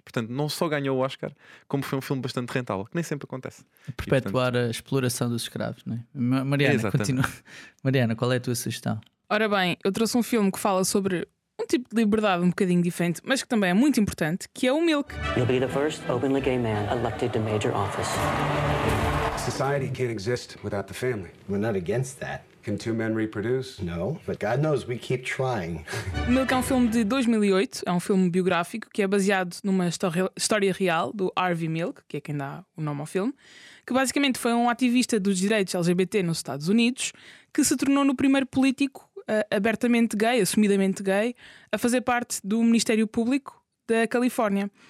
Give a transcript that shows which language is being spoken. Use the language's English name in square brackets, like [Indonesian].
[Portuguese] Portanto, não só ganhou o Oscar, como foi um filme bastante rentável, que nem sempre acontece. Perpetuar a exploração dos escravos, não é? Mariana, continua. Mariana, qual é a tua sugestão? Ora bem, eu trouxe um filme que fala sobre um tipo de liberdade um bocadinho diferente, mas que também é muito importante, que é o Milk. [English] You'll be the first openly gay man elected to major office. Society can't exist without the family. We're not against that. Can two men reproduce? No, but God knows we keep trying. [Portuguese] Milk é um filme de 2008, é um filme biográfico que é baseado numa história real do Harvey Milk, que é quem dá o nome ao filme, que basicamente foi um ativista dos direitos LGBT nos Estados Unidos, que se tornou no primeiro político abertamente gay, assumidamente gay, a fazer parte do Ministério Público da Califórnia.